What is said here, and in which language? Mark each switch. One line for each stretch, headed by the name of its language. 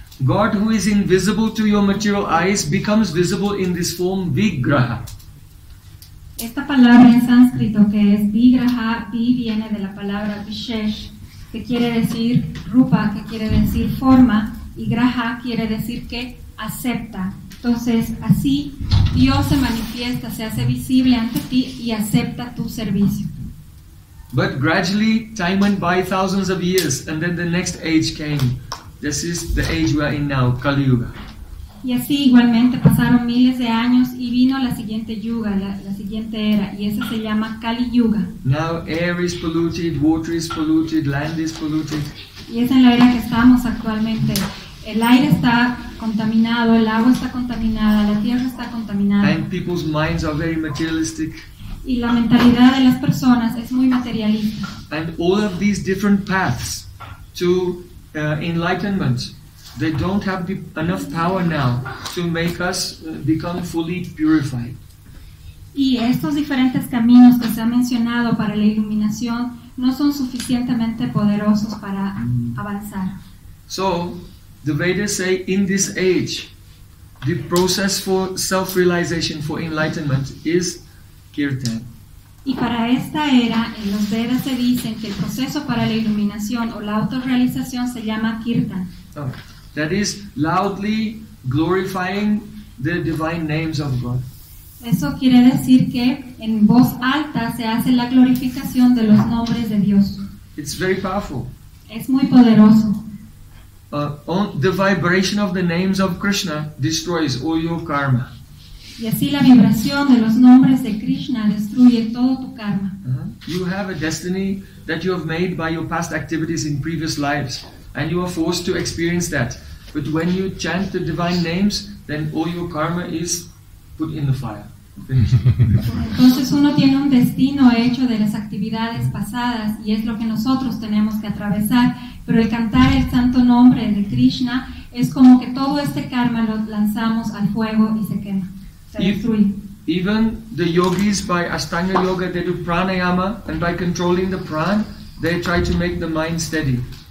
English: God, who is invisible to your material eyes, becomes visible in this form, vigraha.
Spanish: Esta palabra en sánscrito que es vigraha, vi viene de la palabra vishesh, que quiere decir rupa, que quiere decir forma, y graha quiere decir que acepta. Entonces, así Dios se manifiesta, se hace visible ante ti y acepta tu servicio.
English: But gradually, time went by thousands of years, and then the next age came. This is the age we are in now, Kali Yuga.
Spanish: Y así igualmente pasaron miles de años y vino la siguiente yuga, la siguiente era, y esa se llama Kali Yuga.
English: Now air is polluted, water is polluted, land is polluted.
Spanish: Y es en la era que estamos actualmente. El aire está contaminado, el agua está contaminada, la tierra está contaminada.
English: And people's minds are very materialistic.
Spanish: Y la mentalidad de las personas es muy materialista.
English: And all of these different paths to enlightenment, they don't have enough power now to make us become fully purified.
Spanish: Y estos diferentes caminos que se han mencionado para la iluminación no son suficientemente poderosos para avanzar.
English: So, the Vedas say in this age, the process for self-realization, for enlightenment, is kirtan.
Spanish: Y para esta era, en los Vedas se dicen que el proceso para la iluminación o la autorrealización se llama kirtan.
English: Okay. That is loudly glorifying the divine names of God.
Spanish: Eso quiere decir que en voz alta se hace la glorificación de los nombres de Dios.
English: It's very powerful.
Spanish: Es muy poderoso.
English: The vibration of the names of Krishna destroys all your karma.
Spanish: Y así la vibración de los nombres de Krishna destruye todo tu karma.
English: You have a destiny that you have made by your past activities in previous lives. And you are forced to experience that. But when you chant the divine names, then all your karma is put in the fire.
Spanish: Entonces uno tiene un destino hecho de las actividades pasadas y es lo que nosotros tenemos que atravesar. Pero el cantar el santo nombre de Krishna es como que todo este karma lo lanzamos al fuego y se quema, se destruye.
English: Even the yogis by Ashtanga Yoga, they do pranayama, and by controlling the prana, they try to make the mind steady.